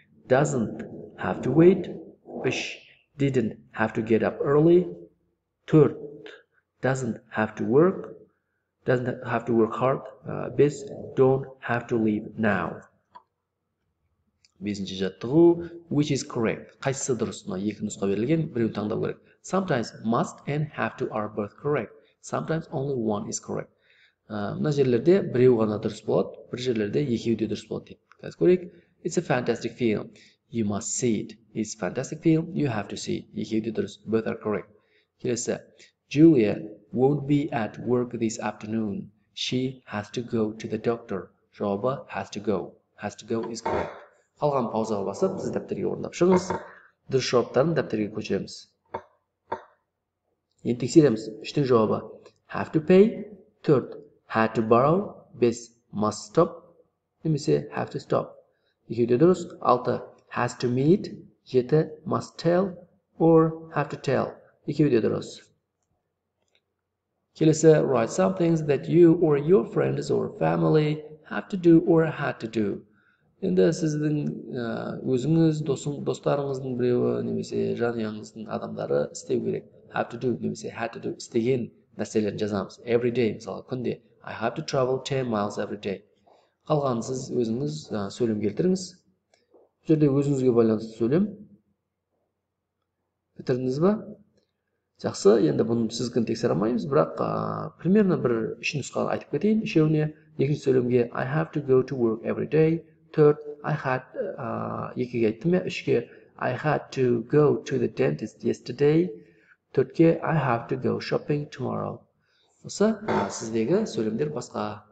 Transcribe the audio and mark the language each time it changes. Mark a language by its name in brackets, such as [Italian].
[English] Doesn't have to wait. 3. Didn't have to get up early. 4. Doesn't have to work. Doesn't have to work hard. 5. Don't have to leave now. [Kazakh] 5-ші жаттығу. [English] Which is correct? [Kazakh] Қайсысы дұрыс? Мына екі нұсқа берілген, біреуін таңдау керек. [English] Sometimes must and have to are both correct. Sometimes only one is correct. [Kazakh] Мына жерлерде біреу ғана дұрыс болады, бір жерлерде екеу де дұрыс болады дейді. Қазір көрейік. [English] It's a fantastic film. You must see it. It's a fantastic film. You have to see it. [Kazakh] Екеу де дұрыс. [English] Both are correct. Келесі. Julia won't be at work this afternoon. She has to go to the doctor. [Kazakh] Жауабы has to go. [English] Has to go is correct. [Kazakh] Қалған паузаға басып, сіз дәптерге орындап шығыңыз. Дұрыс жауаптарын дәптерге көшіреміз. Енді тексереміз. Үштің жауабы. [English] Have to pay. [Kazakh] 4. [English] Had to borrow. [Kazakh] 5. [English] Must stop. Немесе have to stop. [Kazakh] Екеуде дұрыс. 6. [English] Has to meet. [Kazakh] 7. [English] Must tell. Or have to tell. [Kazakh] Екеуде дұрыс. [English] Келесі, write some things that you or your friends or family have to do or had to do. [Kazakh] Енді сіздің өзіңіз, достарыңыздың біреуі, немесе жанұяңыздың адамдары істеу керек. [English] Have to do, немесе had to do, [Kazakh] істеген нәрселерін жазамыз. Every day, мысалы, күнде. [English] I have to travel 10 miles every day. [Kazakh] Қалған сіз өзіңіз сөйлем келтіріңіз. Жерде өзіңізге байланысты сөйлем. Бітірдіңіз ба? Жақсы, енді бұны сіз кін тексер алмаймыз, бірақ примерно бір үш нұсқа айтып кетейін. Үшеуіне, екінші сөйлемге, [English] I have to go to work every day. 4. I had, [Kazakh] екіге айттым ба, үшке, [English] I had to go to the dentist yesterday. 4-ке, I have to go shopping tomorrow. [Kazakh] Осы, сіздегі сөйлемдер басқа.